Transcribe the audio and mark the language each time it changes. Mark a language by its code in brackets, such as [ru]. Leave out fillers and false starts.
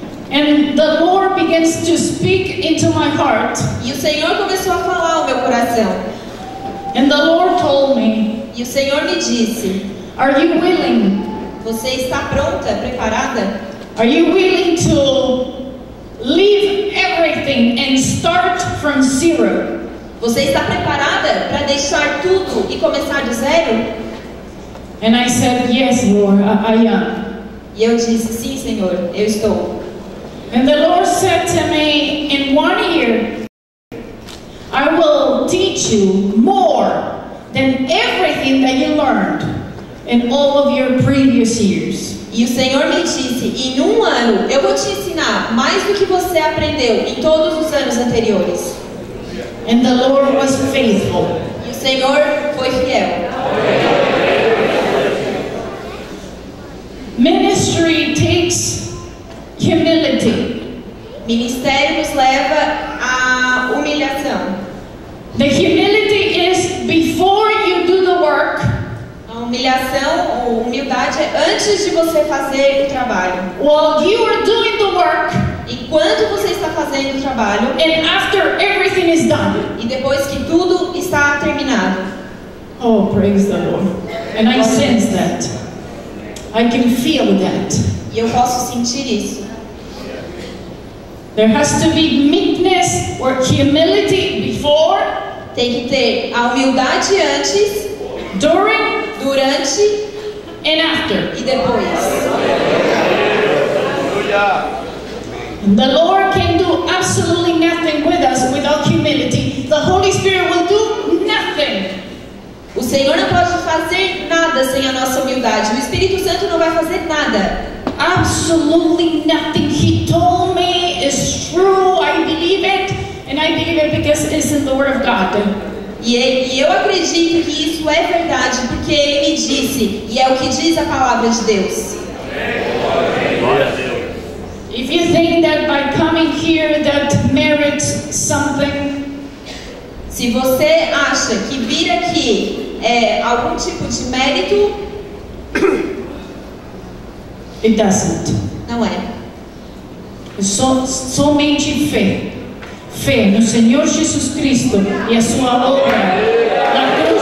[en] And the Lord begins to speak into my heart. [pt] E o Senhor começou a falar ao meu coração. [en] And the Lord told me. [pt] E o Senhor me disse. [en] Are you willing? [pt] Você está pronta, preparada? [en] Are you willing to leave everything and start from zero? [pt] Você está preparada para deixar tudo e começar do zero? [en] And I said, yes, Lord, I am. [pt] E eu disse, sim, Senhor, eu estou. [en] And the Lord said to me, in 1 year, I will teach you more than everything that you learned in all of your previous years. [pt] E o Senhor me disse, em 1 ano, eu vou te ensinar mais do que você aprendeu em todos os anos anteriores. [en] And the Lord was faithful. [pt] E o Senhor foi fiel. [en] Ministry takes humility. [pt] Ministério nos leva à humilhação. [en] The humility is before you do the work. [pt] A humilhação ou humildade é antes de você fazer o trabalho. [en] While you are doing the work. [pt] Enquanto você está fazendo o trabalho. [en] And after everything is done. [pt] E depois que tudo está terminado. [en] Oh, praise the Lord. And I sense that. I can feel that. [pt] E eu posso sentir isso. [en] There has to be meekness or humility before. [pt] Tem que ter a humildade antes. [en] During. [pt] Durante. [en] And after. [pt] E depois. Aleluia. [en] The Lord can do absolutely nothing with us without humility. The Holy Spirit will do nothing. [pt] O Senhor não pode fazer nada sem a nossa humildade. O Espírito Santo não vai fazer nada. [en] Absolutely nothing. He told me is true. I believe it. And I believe it because it's in the Word of God. [pt] E eu acredito que isso é verdade porque Ele me disse. E é o que diz a Palavra de Deus. [en] If you think that by coming here that merits something, [pt] se você acha que vir aqui é algum tipo de mérito, [en] it doesn't. [pt] Não é. Somente fé no Senhor Jesus Cristo e a sua obra.